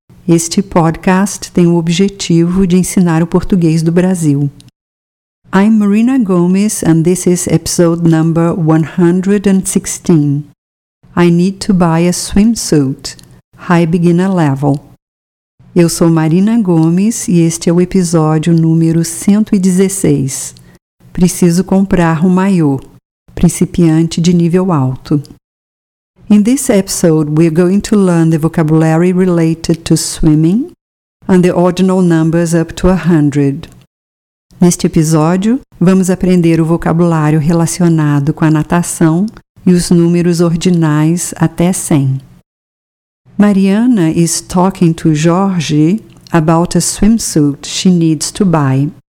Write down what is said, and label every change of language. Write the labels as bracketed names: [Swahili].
[Portuguese] Este podcast tem o objetivo de ensinar o português do Brasil. [English] I'm Marina Gomes and this is episode number 116. I need to buy a swimsuit. High beginner level. [Portuguese] Eu sou Marina Gomes e este é o episódio número 116. Preciso comprar um maiô, principiante de nível alto. [English] In this episode, we are going to learn the vocabulary related to swimming and the ordinal numbers up to 100. [Portuguese] Neste episódio, vamos aprender o vocabulário relacionado com a natação e os números ordinais até 100. [English] Mariana is talking to Jorge about a swimsuit she needs to buy.